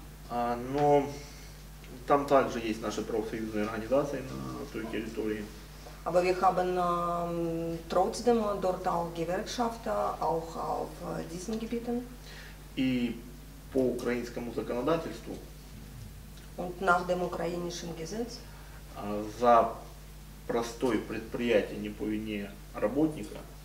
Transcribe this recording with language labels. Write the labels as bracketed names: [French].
[Russian] Но там также есть наши профсоюзные организации на той территории. [German] Aber wir haben trotzdem dort auch Gewerkschaften auch auf diesen Gebieten. [Russian] И по украинскому законодательству. [German] Und nach dem ukrainischen Gesetz. [Russian] За простое предприятие не по вине работника.